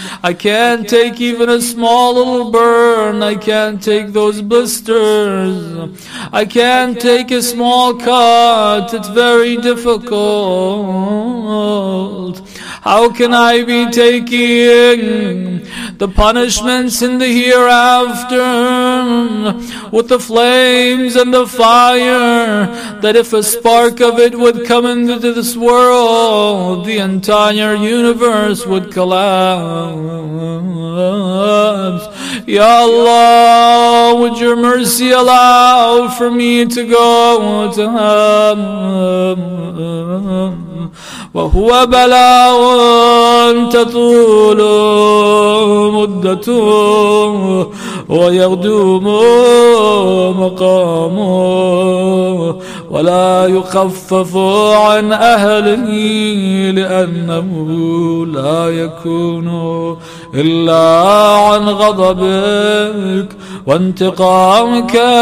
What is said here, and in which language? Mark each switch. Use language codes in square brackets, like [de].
[en] I can't take even a small little burn I can't take those blisters I can't take a small cut it's very difficult How can I be taking the punishments in the hereafter? with the flames and the fire, that if a spark of it would come into this world, the entire universe would collapse. Ya Allah, would your mercy allow for me to go to heaven? [ar] وهو بلاء تطول مدته ويغدوم مقامه ولا يخفف عن أهله لأنه لا يكون إلا عن غضبك وانتقامك